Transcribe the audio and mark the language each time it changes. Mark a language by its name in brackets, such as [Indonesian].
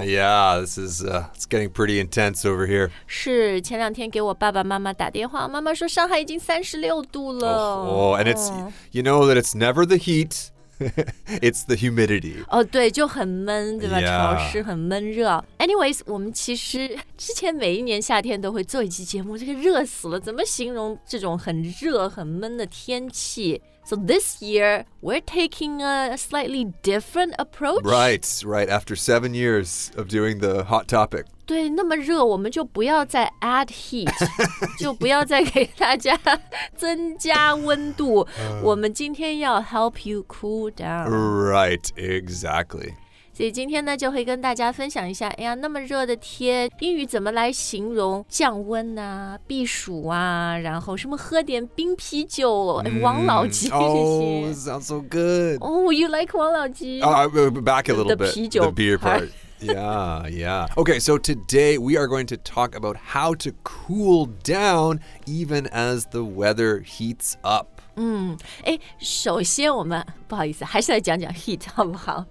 [English] Yeah, this is, it's getting pretty intense over here. [Chinese] 是，前两天给我爸爸妈妈打电话，妈妈说上海已经36度了。 [English] Oh, and it's, you know that it's never the heat. It's the humidity. [Chinese] Oh, 对，就很闷，对吧？Yeah. 潮湿，很闷热。 Anyways, 我们其实之前每一年夏天都会做一期节目，这个热死了，怎么形容这种很热、很闷的天气？ [English] So this year, we're taking a slightly different approach. Right, right. After 7 years of doing the hot topic. [Chinese] 对，那么热，我们就不要再 [English] add heat, [Chinese] 就不要再给大家增加温度。我们今天要 [English] help you cool down. Right, exactly. [Chinese] 所以今天呢就会跟大家分享一下哎呀那么热的天英语怎么来形容降温啊避暑啊然后什么喝点冰啤酒、哎、王老吉这些。 [English] Oh, sounds so good. Oh, you like 王老吉、 back a little bit. The 啤酒 The beer part. Yeah, yeah. Okay, so today we are going to talk about how to cool down even as the weather heats up. [Chinese] 哎，首先我们不好意思，还是来讲讲 heat 好不好？